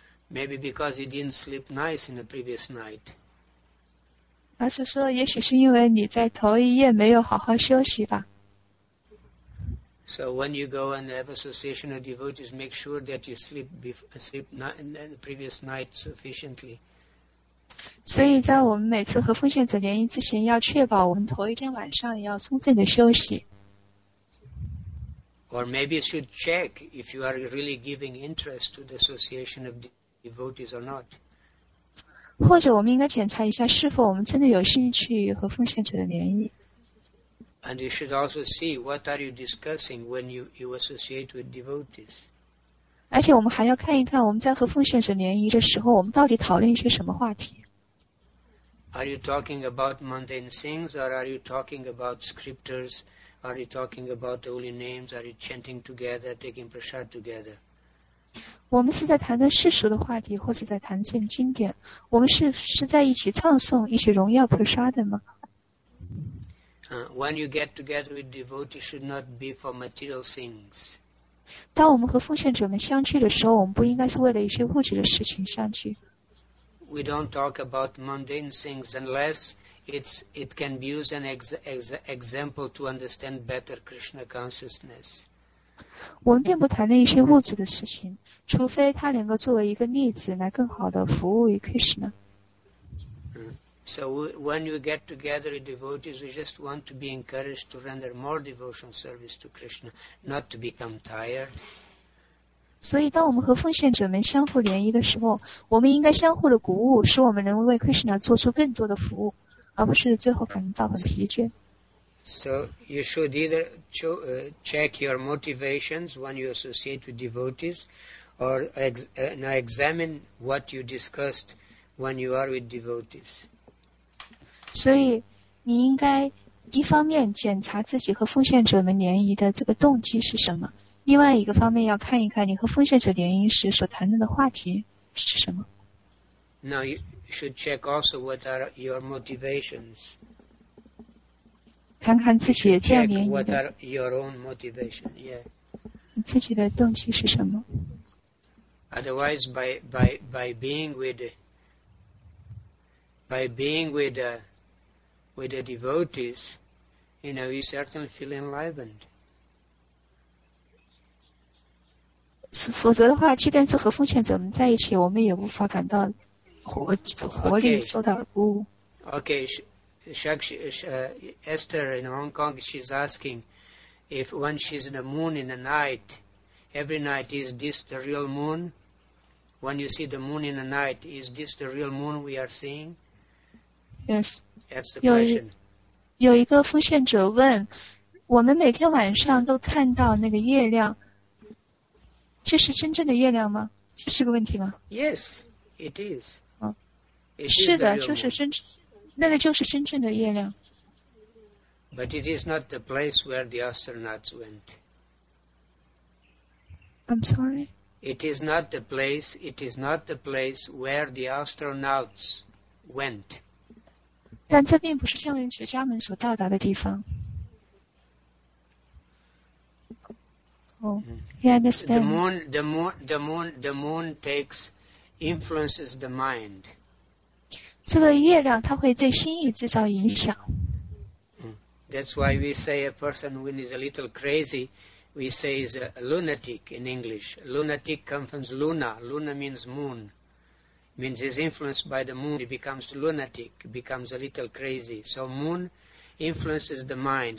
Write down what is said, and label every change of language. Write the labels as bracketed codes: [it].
[en] Maybe because he didn't sleep nice in the previous night. [zh] 而是说，也许是因为你在头一夜没有好好休息吧。 [en] So when you go and have association of devotees, make sure that you sleep in the previous night sufficiently. [zh] 所以在我们每次和奉献者联谊之前，要确保我们头一天晚上要充分的休息。 [en] Or maybe you should check if you are really giving interest to the association of devotees or not. [zh] 或者我们应该检查一下是否我们真的有兴趣和奉献者的联谊。 [en] And you should also see what are you discussing when you associate with devotees. [zh] 而且我们还要看一看我们在和奉献者联谊的时候我们到底讨论一些什么话题。 [en] Are you talking about mundane things or are you talking about scriptures? Are you talking about the holy names? Are you chanting together, taking prasad together? [zh] 我们是在谈论世俗的话题，或者在谈论经典。我们是在一起唱诵，一起荣耀 prasad 的吗？ [en] When you get together with devotees, should not be for material things. [zh] 当我们和奉献者们相聚的时候，我们不应该是为了一些物质的事情相聚。 [en] We don't talk about mundane things unless. It can be used as an example to understand better Krishna consciousness. [zh] 我们并不谈论一些物质的事情，除非它能够作为一个例子来更好的服务于 Krishna. [en] So when you get together with devotees, we just want to be encouraged to render more devotional service to Krishna, not to become tired. [zh] 所以当我们和奉献者们相互联谊的时候，我们应该相互的鼓舞，使我们能为 Krishna 做出更多的服务。而不是最后感到很疲倦。 [en] So you should either check your motivations when you associate with devotees, or examine what you discussed when you are with devotees. [zh] 所以你应该一方面检查自己和奉献者们联谊的这个动机是什么，另外一个方面要看一看你和奉献者联谊时所谈论的话题是什么。 [en] Now you should check also what are your motivations. [zh] 看看自己这样联谊的。 [en] What are your own motivation? Yeah. [zh] 你自己的动机是什么？ [en] Otherwise, by being with with the devotees, you know, you certainly feel enlivened. [zh] 否则的话，即便是和奉献者们在一起，我们也无法感到 活力受到鼓舞。 [en] Okay, Esther in Hong Kong, she's asking if when she's in the moon in the night, every night, is this the real moon? When you see the moon in the night, is this the real moon we are seeing? Yes. That's the question. [zh] 有一个奉献者问，我们每天晚上都看到那个月亮，这是真正的月亮吗？这是个问题吗？ [en] Yes, it is. [zh] 是的，就是真正。那个就是真正的月亮。 [en] But it is not the place where the astronauts went. I'm sorry? It is not the place where the astronauts went. [zh] 但这并不是天文学家们所到达的地方。 [en] Oh, yeah, I understand. The moon takes, influences the mind. [zh] 这个月亮它会对心意制造影响。 [en] That's why we say a person when is a little crazy, we say is a lunatic in English. Lunatic comes from luna. Luna means moon. Means is influenced by the moon. He becomes lunatic, becomes a little crazy. So moon influences the mind.